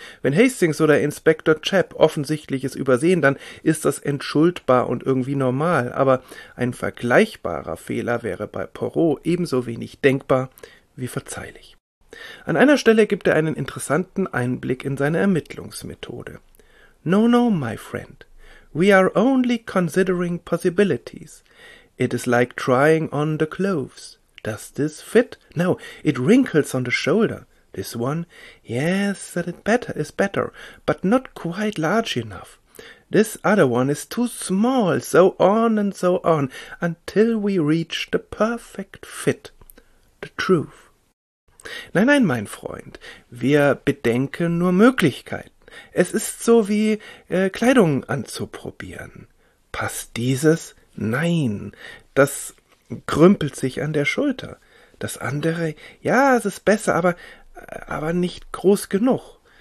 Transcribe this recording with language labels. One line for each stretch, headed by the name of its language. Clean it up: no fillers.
German: Wenn Hastings oder Inspektor Chapp Offensichtliches übersehen, dann ist das entschuldbar und irgendwie normal, aber ein vergleichbarer Fehler wäre bei Poirot ebenso wenig denkbar wie verzeihlich. An einer Stelle gibt er einen interessanten Einblick in seine Ermittlungsmethode.
English: »No, no, my friend. We are only considering possibilities.« It is like trying on the clothes. Does this fit? No, it wrinkles on the shoulder. This one? Yes, that is better, but not quite large enough. This other one is too small, so on and so on, until we reach the perfect fit. The truth.
German: Nein, nein, mein Freund, wir bedenken nur Möglichkeiten. Es ist so wie Kleidung anzuprobieren. Passt dieses? Nein, das krümpelt sich an der Schulter. Das andere, ja, es ist besser, aber nicht groß genug.